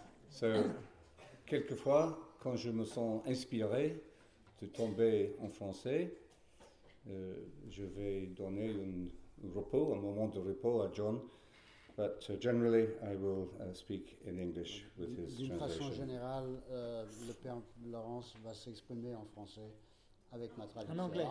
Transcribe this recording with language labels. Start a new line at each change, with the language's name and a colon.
French: So, quelquefois, quand je me sens inspiré de tomber en français, je vais donner un moment de repos à John.
English: But generally, I will speak in English with his translation.
French: D'une façon générale, le père Laurence va s'exprimer en français avec ma traduction.